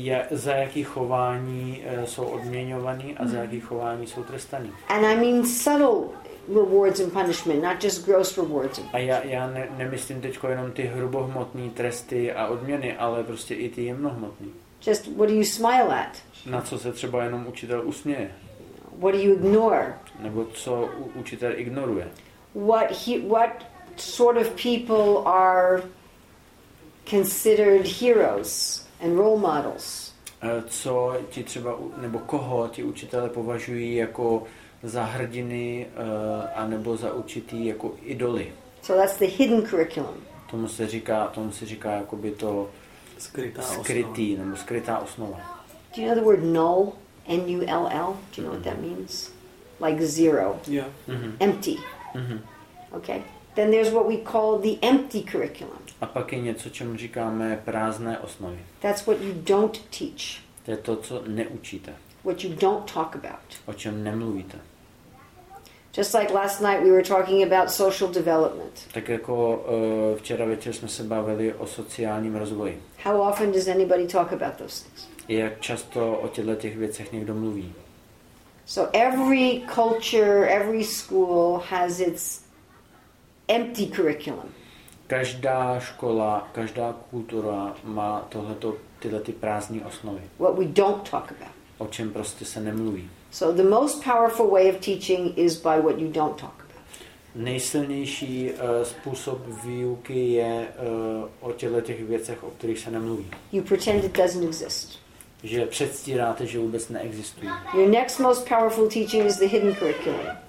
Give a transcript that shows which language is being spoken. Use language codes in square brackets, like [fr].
[cs] Za jaký chování jsou odměňovaní a za jaký chování jsou trestaní. [en] And I mean subtle rewards and punishment, not just gross rewards. [cs] A já nemyslím teďko jenom ty hrubohmotné tresty a odměny, ale prostě i ty jemnohmotné. [en] Just what do you smile at? [cs] Na co se třeba jenom učitel usměje? [en] What do you ignore? [cs] Nebo co učitel ignoruje? [en] What sort of people are considered heroes and role models? [cs] Co ti třeba nebo koho ti učitelé považují jako za hrdiny a nebo za určitý jako idoly? [en] So that's the hidden curriculum. [cs] Tomu se říká jako by to skrytý nebo skrytá osnova. [en] Do you know the word null? N-U-L-L. Do you know what that means? Like zero. Yeah. Mm-hmm. Empty. Mm-hmm. Okay. Then there's what we call the empty curriculum. [cs] A pak je něco, čemu říkáme prázdné osnovy. [en] That's what you don't teach. [cs] To je to, co neučíte. [en] What you don't talk about. [cs] O čem nemluvíte. [en] Just like last night we were talking about social development. [cs] Tak jako včera večer jsme se bavili o sociálním rozvoji. [en] How often does anybody talk about those things? [cs] Jak často o těchto těch věcech někdo mluví? [en] So every culture, every school has its empty curriculum. [cs] Každá škola, každá kultura má tohleto tyhle ty prázdné osnovy. [en] What we don't talk about. [cs] O čem prostě se nemluví. [en] So the most powerful way of teaching is by what you don't talk about. [cs] Nejsilnější způsob výuky je o těchto těch věcech, o kterých se nemluví. [en] You pretend it doesn't exist. [cs] Že předstíráte, že vůbec neexistují. [en] Your next most powerful teaching is the hidden curriculum.